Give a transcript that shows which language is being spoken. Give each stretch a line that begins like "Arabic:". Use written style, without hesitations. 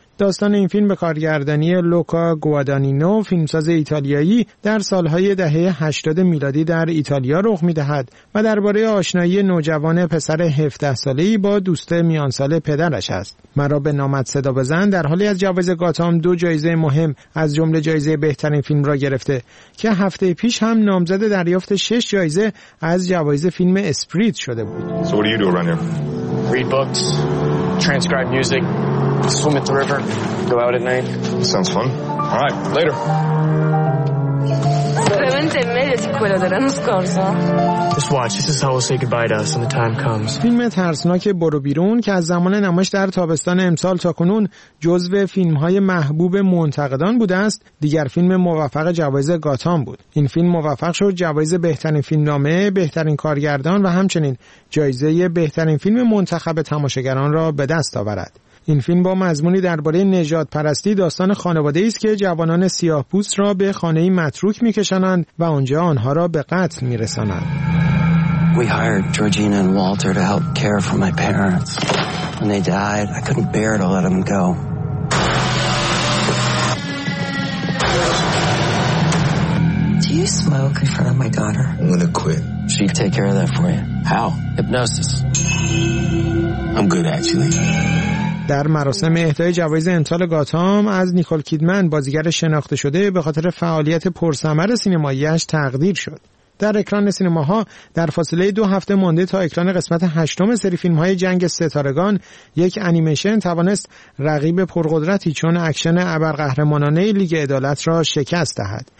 Persian: داستان این فیلم به کارگردانی لوکا گوادانینو، فیلمساز ایتالیایی، در سالهای دهه 80 میلادی در ایتالیا رخ می‌دهد و درباره آشنایی نوجوان پسر 17 ساله‌ای با دوست میانسال پدرش است. مرا به نامت صدا بزن در حالی از جوایز گاتام دو جایزه مهم از جمله جایزه بهترین فیلم را گرفته که هفته پیش هم نامزد دریافت 6 جایزه از جوایز فیلم اسپریت شده بود.
English: Swim at the river, go out at night. Sounds fun. All right, later. Just watch. This is how we'll say goodbye to us when the time comes.
Persian: فیلم ترسناک برو بیرون که از زمان نمایش در تابستان امسال تا کنون جزو فیلم‌های محبوب منتقدان بوده است، دیگر فیلم موفق جوایز گاتام بود. این فیلم موفق شد جوایز بهترین فیلمنامه، بهترین کارگردان و همچنین جایزه بهترین فیلم منتخب تماشاگران را به دست آورد. این فیلم با مضمونی درباره نژاد پرستی داستان خانواده ای است که جوانان سیاه پوست را به خانه متروک می کشانند و آنجا آنها را به قتل می رسانند.
English: We hired Georgina and Walter to help care for my parents. When they died, I couldn't bear to let them go. Do you smoke in front of my daughter? I'm gonna quit. She'd take care of that for you. How? Hypnosis. I'm good actually.
Persian: در مراسم اهدای جوایز امسال گاتام از نیکول کیدمن بازیگر شناخته شده به خاطر فعالیت پرثمر سینماییش تقدیر شد. در اکران سینماها در فاصله دو هفته مانده تا اکران قسمت هشتم سری فیلم‌های جنگ ستارگان، یک انیمیشن توانست رقیب پرقدرتی چون اکشن ابرقهرمانانه لیگ عدالت را شکست دهد.